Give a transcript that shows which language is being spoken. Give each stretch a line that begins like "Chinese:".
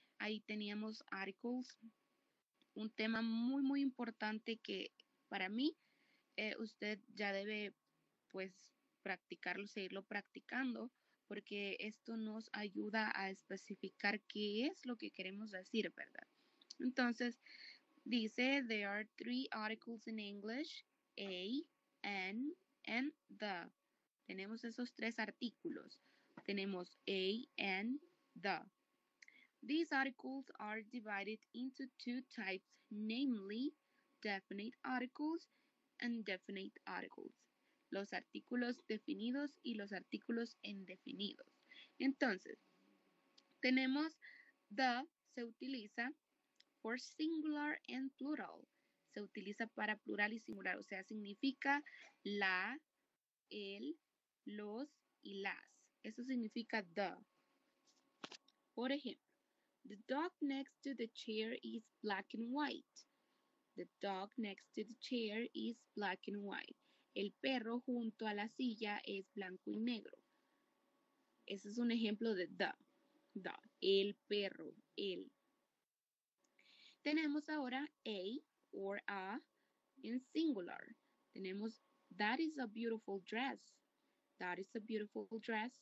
Spanish: Ahí teníamos articles. Un tema muy, muy importante que para mí usted ya debe, pues, practicarlo, seguirlo practicando, porque esto nos ayuda a especificar qué es lo que queremos decir, ¿verdad? Entonces, dice,
English: there are three articles in English, a, an, and the.
Spanish: Tenemos esos tres artículos. Tenemos a, an, the.
English: These articles are divided into two types, namely, definite articles and indefinite articles.
Spanish: Los artículos definidos y los artículos indefinidos. Entonces, tenemos
English: the,
Spanish: se utiliza
English: for singular and plural.
Spanish: Se utiliza para plural y singular. O sea, significa la, el, los y las. Eso significa
English: the.
Spanish: Por ejemplo,
English: the dog next to the chair is black and white. The dog next to the chair is black and white.
Spanish: El perro junto a la silla es blanco y negro. Ese es un ejemplo de the, el perro, el. Tenemos ahora
English: a or a in singular.
Spanish: Tenemos
English: that is a beautiful dress. That is a beautiful dress.